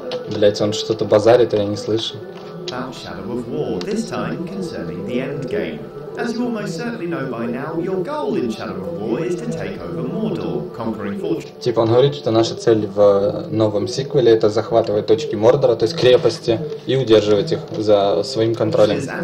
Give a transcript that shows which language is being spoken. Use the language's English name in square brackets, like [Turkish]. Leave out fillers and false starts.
[Russian] Блять, он что-то базарит, а я не слышу. [English] Thou shadow of war, this time concerning the end game. As you almost certainly know by now, your goal in Shadow of War is to take over Mordor, conquering fortune. [Russian] Типа он говорит, что наша цель в новом сиквеле это захватывать точки Мордора, то есть крепости, и удерживать их за своим контролем.